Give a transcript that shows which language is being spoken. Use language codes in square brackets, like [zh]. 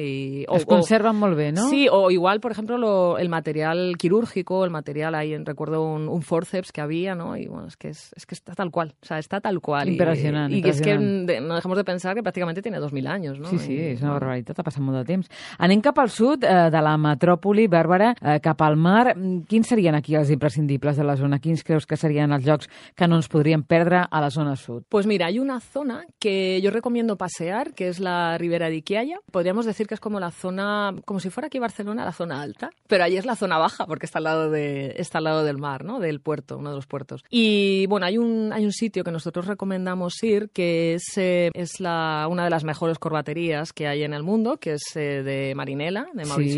[es] Y os conservan muy bien, ¿no? Sí, o igual, por ejemplo, el material quirúrgico, el material ahí, recuerdo un forceps que había, ¿no? Y bueno, es que está tal cual, o sea, está tal cual. Impresionante. Y es que no dejemos de pensar que prácticamente tiene 2.000 años, ¿no? Sí, sí, es una barbaridad, ha pasado mucho tiempo. [ca] Anem cap al sud de la metròpoli, Bàrbara, cap al mar. Quins serien aquí els imprescindibles de la zona? Quins creus que serien els llocs que no ens podríem perdre a la zona sud? [es] Pues mira, hay una zona que yo recomiendo pasear, que es la Ribera de Iquiaia. Podríamos decir que es como la zona, como si fuera aquí Barcelona, la zona alta, pero allí es la zona baja, porque está al lado del mar, ¿no? Del puerto, uno de los puertos. Y bueno, hay un sitio que nosotros recomendamos ir, que es una de las mejores corbaterías que hay en el mundo, que es de Marinela, de Mauricio